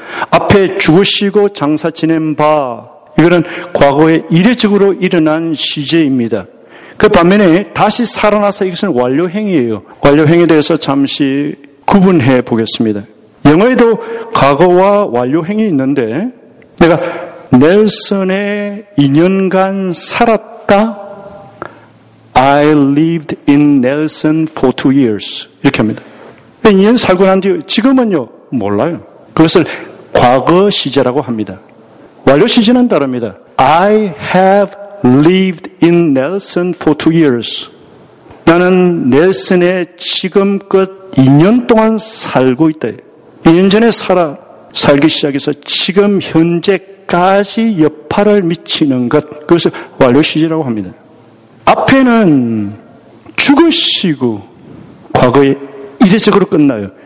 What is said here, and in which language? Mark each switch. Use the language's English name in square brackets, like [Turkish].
[Korean] 앞에 죽으시고 장사 지낸 바 이거는 과거에 이례적으로 일어난 시제입니다. 그 반면에 다시 살아나서 이것은 완료행위예요. 완료행위에 대해서 잠시 구분해 보겠습니다. 영어에도 과거와 완료행위 있는데 내가 넬슨의 2년간 살았다. [English] I lived in Nelson for 2 years. [Korean] 이렇게 합니다. 2년 살고 난 뒤 지금은요 몰라요. 그것을 과거 시제라고 합니다. 완료 시제는 다릅니다. [English] I have lived in Nelson for 2 years. [Korean] 나는 넬슨에 지금껏 2년 동안 살고 있다. 2년 전에 살기 시작해서 지금 현재까지 여파를 미치는 것. 그것을 완료 시제라고 합니다. 앞에는 죽으시고 과거에 이례적으로 끝나요.